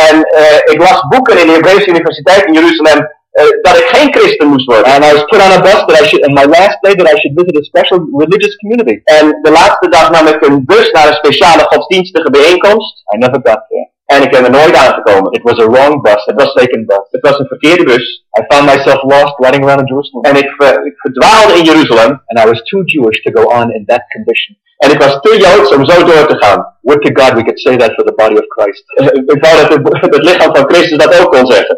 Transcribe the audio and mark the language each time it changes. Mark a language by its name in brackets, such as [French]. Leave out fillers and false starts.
[Dutch] En ik las boeken in de Hebreeuwse Universiteit in Jeruzalem. Dat ik geen christen moest worden. [English] And I was put on a bus that I should, and my last day that I should visit a special religious community. [Dutch] En de laatste dag nam ik een bus naar een speciale godsdienstige bijeenkomst. [English] I never got there. [Dutch] En ik ben er nooit aangekomen. [English] It was a wrong bus. It was a taken bus. It was [Dutch] een verkeerde bus. [English] I found myself lost running around in Jerusalem. [Dutch] En ik verdwaalde in Jeruzalem. [English] And I was too Jewish to go on in that condition. [Dutch] En ik was te Joods om zo door te gaan. [English] Would to God we could say that for the body of Christ. [Dutch] Ik wou dat het lichaam van Christus dat ook kon zeggen.